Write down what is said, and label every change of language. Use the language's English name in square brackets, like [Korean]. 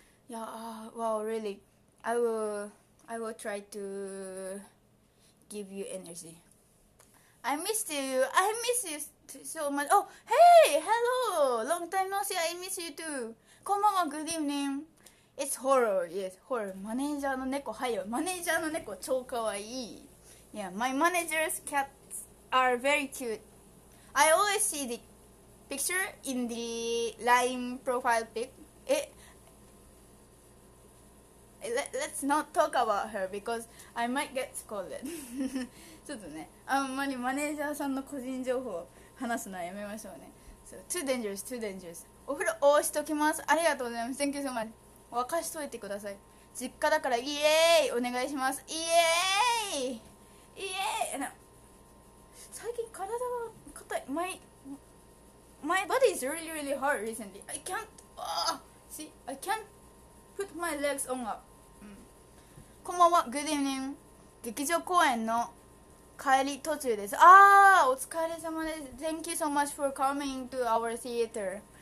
[English] Yeah, wow, really. I will try to give you energy. I missed you. I miss you so much. Oh, hey, hello. Long time no see. I miss you too. [Japanese] こんばんは。 [English] Good evening. It's horror. Yes, horror. [Japanese] マネージャーの猫、はいよ。マネージャーの猫超可愛い。 [English] Yeah, my manager's cats are very cute. I always see the picture in the LINE profile pic. Let's not talk about her because I might get scolded. [Japanese] ちょっとね、あんまりマネージャーさんの個人情報を話すのはやめましょうね。 [English] So, too dangerous, too dangerous. [Japanese] お風呂押しときます。ありがとうございます。 [English] Thank you so much. [Japanese] 沸かしといてください。実家だからイエーイお願いします。イエーイイエーイ。最近体が硬い。 [English] My body is really, really hard recently. I can't. See, I can't. Put my legs on up. [Japanese] こんばんは。 [English] Good evening. [Japanese] 劇場公演の帰り途中です。お疲れ様です。 [English] Thank you so much for coming to our theater.